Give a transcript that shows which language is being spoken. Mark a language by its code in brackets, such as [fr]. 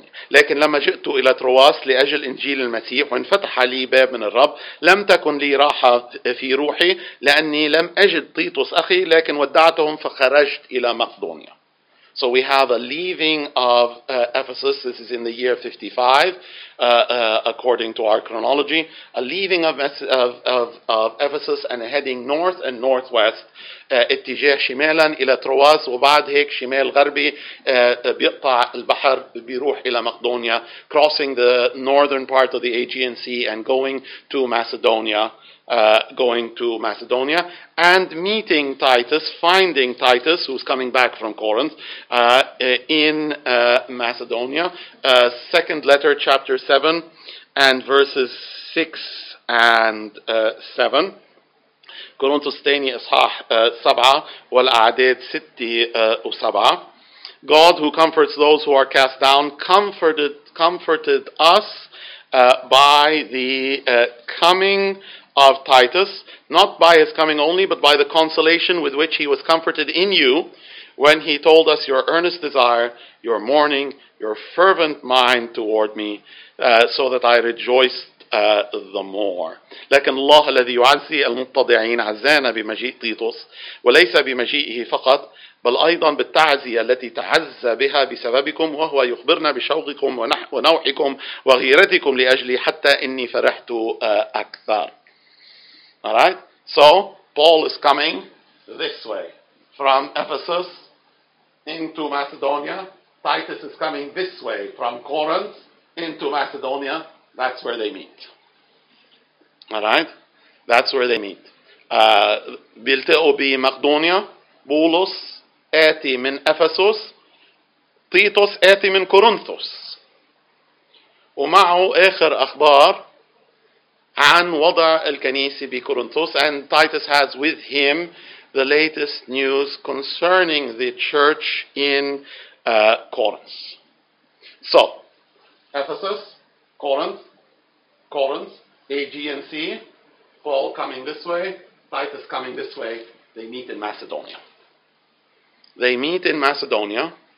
[ar] لكن لما جئت إلى تروآس لأجل إنجيل المسيح وانفتح لي باب من الرب لم تكن لي راحة في روحي لأني لم أجد تيتوس أخي لكن ودعتهم فخرجت إلى مقدونيا. [en] So we have a leaving of Ephesus. This is in the year 55, according to our chronology. A leaving of Ephesus and a heading north and northwest. اتجاه شمالا إلى تروآس وبعد هيك شمال غربي بيقطع البحر بيروح إلى مقدونيا. Crossing the northern part of the Aegean Sea and going to Macedonia. And meeting Titus, finding Titus, who's coming back from Corinth, in Macedonia. Second letter, chapter 7, and verses 6 and 7. [ar] Corinthus Thani Ashah 7, wal-a'adid 6-7. [en] God, who comforts those who are cast down, comforted us by the coming of Titus, not by his coming only, but by the consolation with which he was comforted in you, when he told us your earnest desire, your mourning, your fervent mind toward me, so that I rejoiced the more. [ar] لكن الله الذي يعزي المتضعين عزانا بمجيء تيتوس وليس بمجيئه فقط بل أيضا بالتعزية التي تعز بها بسببكم وهو يخبرنا بشوقكم ونوحكم وغيرتكم لأجلي حتى إني فرحت أكثر. [en] All right. So Paul is coming this way from Ephesus into Macedonia. Titus is coming this way from Corinth into Macedonia. That's where they meet. All right. That's where they meet. [ar] بيلتقوا بمقدونيا. بولس آتي من Ephesus. تيتوس آتي من كورنثوس. ومعه آخر أخبار عن وضع الكنيسة بكورنثوس, [en] and Titus has with him the latest news concerning the church in Corinth. So, Ephesus, Corinth, Aegean Sea, Paul coming this way, Titus coming this way, they meet in Macedonia.